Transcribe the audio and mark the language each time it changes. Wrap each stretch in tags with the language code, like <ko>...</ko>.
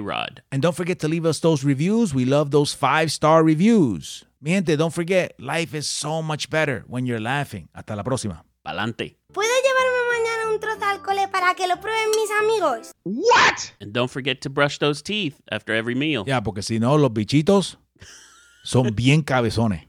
<en>Rod. And don't forget to leave us those reviews. We love those 5-star reviews.</en> <es>Mi gente,</es> <en>don't forget, life is so much better when you're laughing.</en> <es>Hasta la próxima. Pa'lante. ¿Puedo llevarme mañana un trozo al cole para que lo prueben mis amigos?</es> <en>What? And don't forget to brush those teeth after every meal.</en> <es>Yeah, porque si no, los bichitos son bien cabezones.</es>